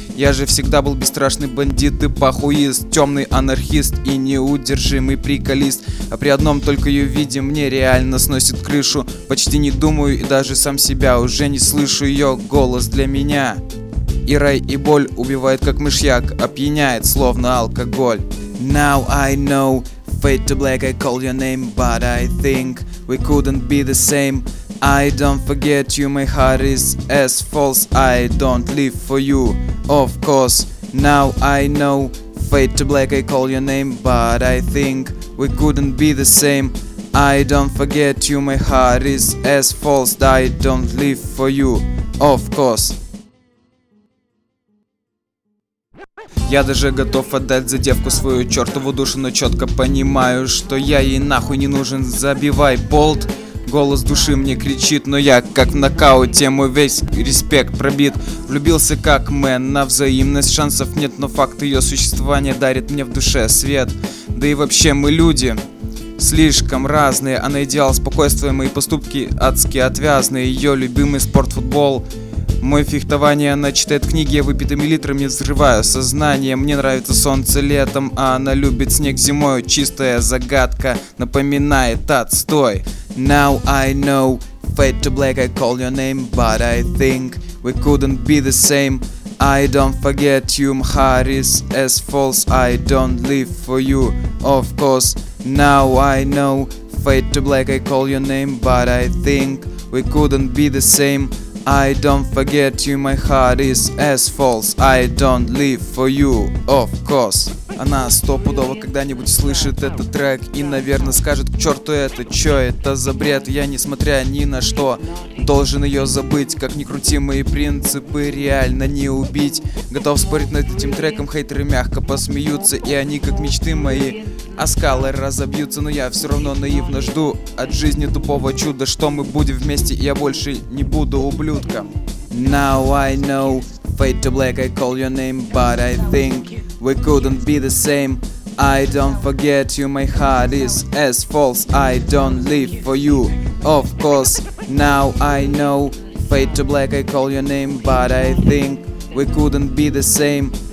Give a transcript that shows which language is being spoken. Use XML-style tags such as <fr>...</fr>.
<ru>Я же всегда был бесстрашный бандит и похуист, темный анархист и неудержимый приколист. А при одном только ее виде мне реально сносит крышу. Почти не думаю и даже сам себя уже не слышу. Ее голос для меня и рай, и боль убивает как мышьяк, опьяняет словно алкоголь.</ru> <en>Now I know, fade to black, I call your name, but I think we couldn't be the same. I don't forget you, my heart is as false, I don't live for you, of course. Now I know, fade to black, I call your name, but I think we couldn't be the same. I don't forget you, my heart is as false, I don't live for you, of course.</en> <ru>Я даже готов отдать за девку свою чертову душу, но четко понимаю, что я ей нахуй не нужен. Забивай болт. Голос души мне кричит, но я как в нокауте, мой весь респект пробит. Влюбился как мэн, на взаимность шансов нет, но факт ее существования дарит мне в душе свет. Да и вообще мы люди слишком разные, она идеал спокойствия, мои поступки адски отвязные. Ее любимый спорт футбол, мой фехтование, она читает книги, я выпитыми литрами взрываю сознание. Мне нравится солнце летом, а она любит снег зимой. Чистая загадка напоминает отстой.</ru> <en>Now I know, fade to black, I call your name, but I think we couldn't be the same. I don't forget you, my heart is as false, I don't live for you, of course. Now I know, fade to black, I call your name, but I think we couldn't be the same. I don't forget you, my heart is as false, I don't live for you, of course.</en> <ru>Она стопудово когда-нибудь слышит этот трек и, наверное, скажет: к черту это, чё это за бред? Я, несмотря ни на что, должен ее забыть. Как ни крути, мои принципы реально не убить. Готов спорить над этим треком, хейтеры мягко посмеются, и они, как мечты мои, о скалы разобьются. Но я все равно наивно жду от жизни тупого чуда, что мы будем вместе, и я больше не буду ублюдком.</ru> <en>Now I know, fade to black, I call your name, but I think we couldn't be the same. I don't forget you, my heart is as false, I don't live for you, of course. Now I know, fade to black, I call your name, but I think we couldn't be the same.</en>